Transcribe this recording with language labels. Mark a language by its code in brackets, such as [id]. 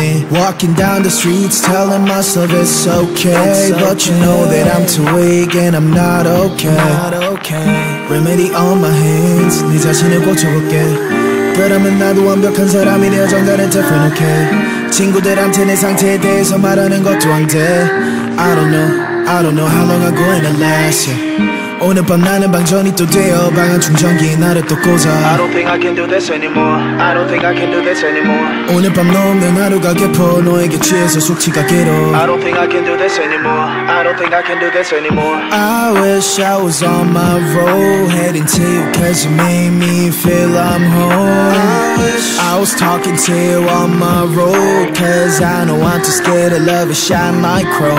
[en] Walking down the streets, telling myself it's okay. But you know that I'm too weak and I'm not okay. Not okay. Remedy on my hands, [ko] 네 자신을 고쳐볼게. 그러면 나도 완벽한 사람이 되어 정단을 덮어 놓게. 친구들한테 내 상태에 대해서 말하는 것도 안 돼. [en] I don't know how long I'm gonna last, yeah. [ko] 오늘 밤 나는 방전이 또 되어 방안 충전기 나를 또 꽂아. [en] I don't think I can do this anymore. I don't think I can do this anymore. [ko] 오늘 밤 넘는 하루가 깊어 너에게 취해서 숙취가 길어. [en] I don't think I can do this anymore. I don't think I can do this anymore. I wish I was on my road, heading to you, cause you made me feel I'm home. I wish I was talking to you on my road, cause I know I'm too scared of love, it shine like chrome.